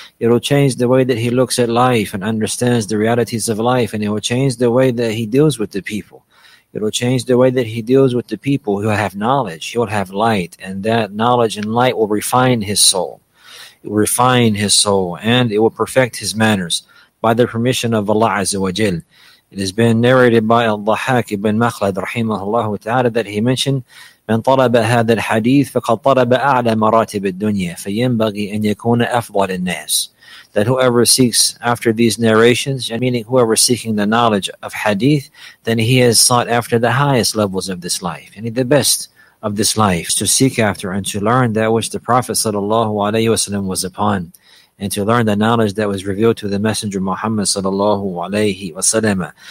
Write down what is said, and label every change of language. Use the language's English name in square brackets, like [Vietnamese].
[English] It will change the way that he looks at life and understands the realities of life, and it will change the way that he deals with the people. It will change the way that he deals with the people who have knowledge. He will have light, and that knowledge and light will refine his soul. It will refine his soul, and it will perfect his manners by the permission of Allah Azza wa Jal. It has been narrated by Al-Dhahhak ibn Makhlad rahimahullah ta'ala that he mentioned, [Arabic] من طلب هذا الحديث فقد طلب أعلى مراتب الدنيا فينبغي أن يكون أفضل الناس. [English] That whoever seeks after these narrations, meaning whoever seeking the knowledge of hadith, then he has sought after the highest levels of this life, and the best of this life, to seek after and to learn that which the Prophet sallallahu alaihi wasallam was upon, and to learn the knowledge that was revealed to the Messenger Muhammad sallallahu alaihi wasallam.